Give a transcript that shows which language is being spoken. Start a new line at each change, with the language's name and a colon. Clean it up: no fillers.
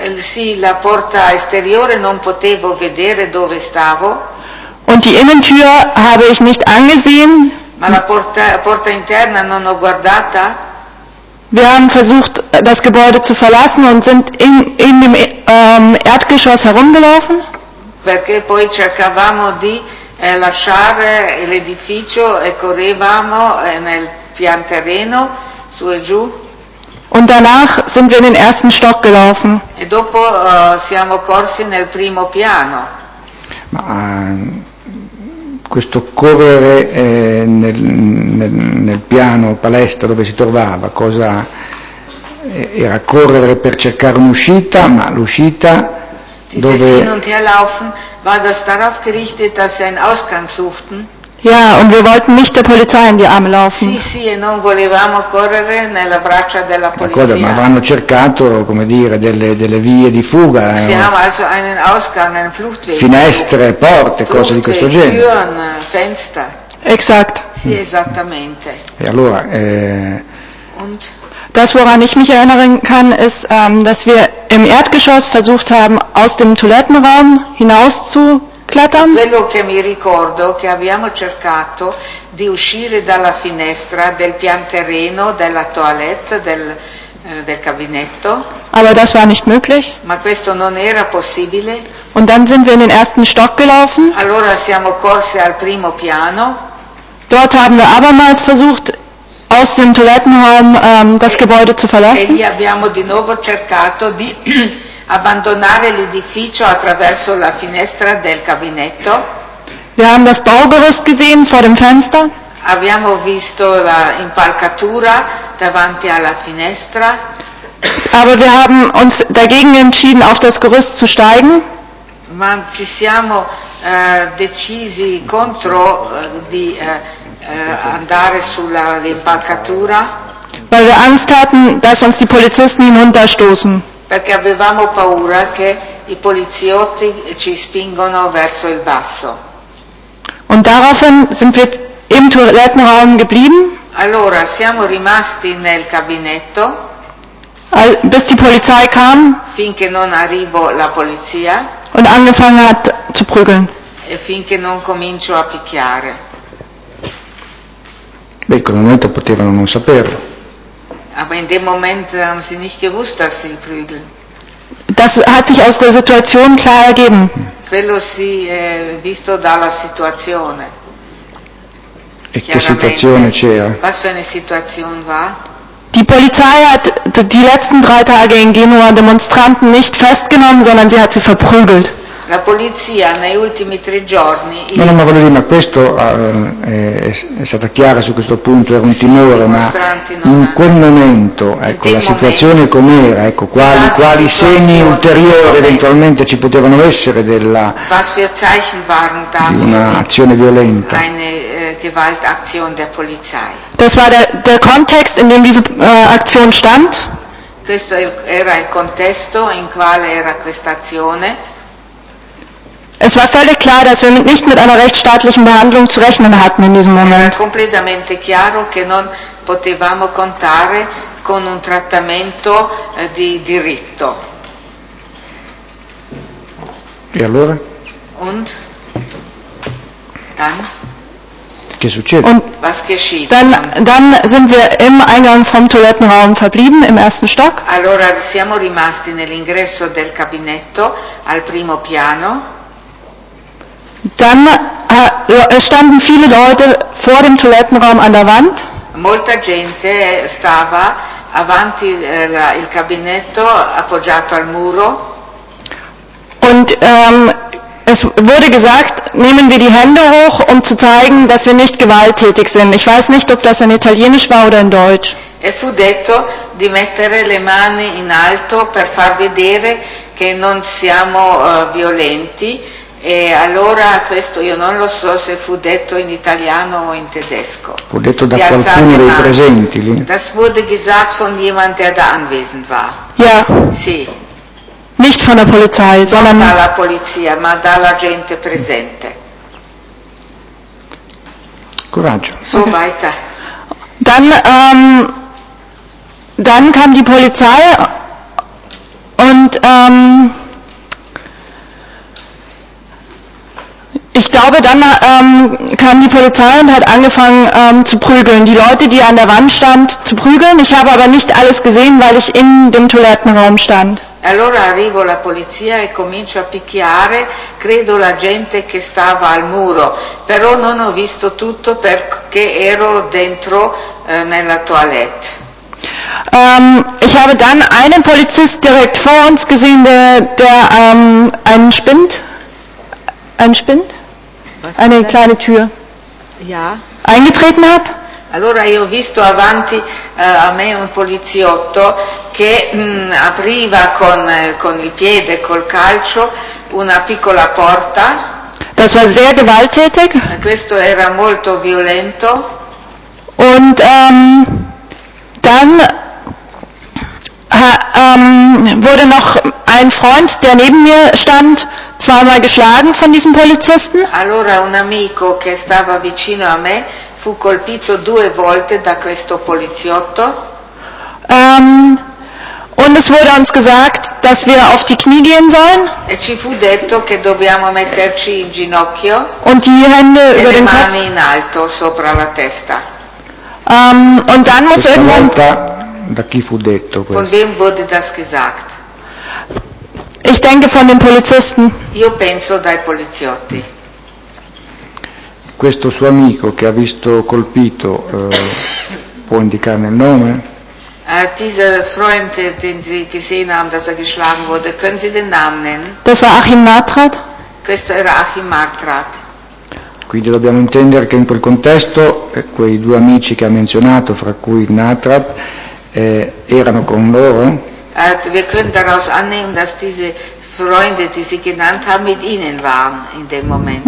Italian: Sì, la porta esteriore non potevo vedere dove stavo.
German: Und die Innentür habe ich nicht angesehen.
Italian: Ma la porta interna non ho guardata.
German: Wir haben versucht, das Gebäude zu verlassen und sind in dem Erdgeschoss herumgelaufen.
Italian: Perché poi cercavamo di lasciare l'edificio e correvamo nel pian terreno su e giù.
German: Und danach sind wir in den ersten Stock gelaufen.
Italian: E dopo siamo corsi nel primo piano. Ma questo correre nel piano palestra dove si trovava, cosa era correre per cercare un'uscita, ma l'uscita dove.
German: Dieses Hin und Herlaufen war das darauf gerichtet, dass sie einen Ausgang suchten. Ja, und wir wollten nicht der Polizei in die Arme laufen.
Italian: Sì, sì, e non volevamo correre nella braccia della polizia. D'accordo, ma avranno cercato, come dire, delle vie di fuga.
German: Sì, haben also einen Ausgang, einen Fluchtweg.
Italian: Finestre, porte, Fluchtweg, cose di questo genere.
German: Türen, Fenster. Exakt.
Italian: Sì, esattamente. E allora.
German: Und? Das, woran ich mich erinnern kann, ist, dass wir im Erdgeschoss versucht haben, aus dem Toilettenraum hinaus zu. Klettern.
Italian: Quello che mi ricordo che abbiamo cercato di uscire dalla finestra del pian terreno della toilette del gabinetto.
German: Aber das war nicht möglich.
Italian: Ma questo non era possibile.
German: Und dann sind wir in den ersten Stock gelaufen.
Italian: Allora siamo corsi al primo piano.
German: Dort haben wir abermals versucht aus dem Toilettenraum das Gebäude zu verlassen.
Italian: E lì abbiamo di nuovo cercato di abbandonare l'edificio attraverso la finestra del gabinetto.
German: Wir haben das Baugerüst gesehen vor dem Fenster.
Italian: Abbiamo visto la impalcatura davanti alla finestra.
German: Aber wir haben uns dagegen entschieden, auf das Gerüst zu steigen.
Italian: Ma ci siamo decisi contro di andare sulla impalcatura.
German: Weil wir Angst hatten, dass uns die Polizisten hinunterstoßen.
Italian: Perché avevamo paura che i poliziotti ci spingono verso il basso.
German: Und daraufhin sind wir im Toilettenraum geblieben.
Italian: Allora siamo rimasti nel gabinetto.
German: Bis die Polizei kam.
Italian: Finché non arrivò la polizia.
German: Und angefangen hat zu prügeln.
Italian: E finché non comincio a picchiare. Beh, in quel momento potevano non saperlo.
German: Aber in dem Moment haben sie nicht gewusst, dass sie prügeln. Das hat sich aus der Situation klar ergeben.
Italian: Quello si è visto dalla situazione. E che situazione c'era?
German: Was für eine Situation war? Die Polizei hat die letzten drei Tage in Genua Demonstranten nicht festgenommen, sondern sie hat sie verprügelt.
Italian: La polizia nei ultimi tre giorni. No, no, ma voglio dire, ma questo è stata chiara su questo punto, era un sì, timore, ma in quel momento, ecco, la situazione com'era, ecco, quali segni ulteriori eventualmente ci potevano essere della
German: was für Zeichen waren da
Italian: di una azione violenta.
German: Eine Gewaltaktion der Polizei. Das war der Kontext, in dem diese Aktion stand.
Italian: Questo era il contesto in quale era questa azione.
German: Es war völlig klar, dass wir nicht mit einer rechtsstaatlichen Behandlung zu rechnen hatten in diesem Moment.
Italian: Era completamente chiaro che non potevamo contare con un trattamento di diritto. E allora?
German: Und dann?
Italian: Che succede?
German: Und was geschieht? Dann sind wir im Eingang vom Toilettenraum verblieben, im ersten Stock. Allora siamo rimasti nell'ingresso del gabinetto al primo piano. Dann standen viele Leute vor dem Toilettenraum an der Wand.
Italian: Molta gente stava avanti il gabinetto appoggiato al muro.
German: Und es wurde gesagt, nehmen wir die Hände hoch, um zu zeigen, dass wir nicht gewalttätig sind. Ich weiß nicht, ob das in Italienisch war oder in Deutsch.
Italian: E fu detto di mettere le mani in alto per far vedere che non siamo violenti. E allora questo io non lo so se fu detto in italiano o in tedesco. Fu detto da qualcuno dei presenti lì.
German: Das wurde gesagt von jemand, der da anwesend war. Ja.
Italian: Sì.
German: Nicht von der Polizei, sondern
Italian: dalla polizia, ma dalla gente presente. Coraggio.
German: So weiter. Dann kam die Polizei und ich glaube, dann kam die Polizei und hat angefangen zu prügeln. Die Leute, die an der Wand stand, zu prügeln. Ich habe aber nicht alles gesehen, weil ich in dem Toilettenraum stand.
Italian: Allora arrivo la polizia e comincio a picchiare, credo la gente che stava al muro, però non ho visto tutto perché ero dentro nella toilette.
German: Ich habe dann einen Polizist direkt vor uns gesehen, der einen Spind. Ein Spind? Was eine kleine das? Tür. Ja. Eingetreten hat?
Italian: Allora io ho visto avanti a me un poliziotto che apriva con il piede, col calcio, una piccola porta.
German: Das war sehr gewalttätig.
Italian: Questo era molto violento.
German: Und dann wurde noch ein Freund, der neben mir stand, zweimal geschlagen von diesem Polizisten.
Italian: Allora un amico che stava vicino a me fu colpito due volte da questo poliziotto.
German: Und es wurde uns gesagt, dass wir auf die Knie gehen sollen.
Italian: E ci fu detto che dobbiamo metterci in ginocchio.
German: Und die Hände über den Kopf.
Italian: Le mani in alto sopra la testa.
German: Und dann muss irgendwann.
Italian: Da chi fu detto questo?
German: Von wem wurde das gesagt? Ich denke von den Polizisten.
Italian: Io penso dai poliziotti. Questo suo amico che ha visto colpito può indicarne il nome?
German: Dieser Freund, den Sie gesehen haben, dass geschlagen wurde, können Sie den Namen nennen? Das war Achim Martrat.
Italian: Questo era Achim Martrat. Quindi dobbiamo intendere che in quel contesto quei due amici che ha menzionato, fra cui Martrat, erano con loro?
German: Wir können daraus annehmen, dass diese Freunde, die Sie genannt haben, mit Ihnen waren in dem Moment.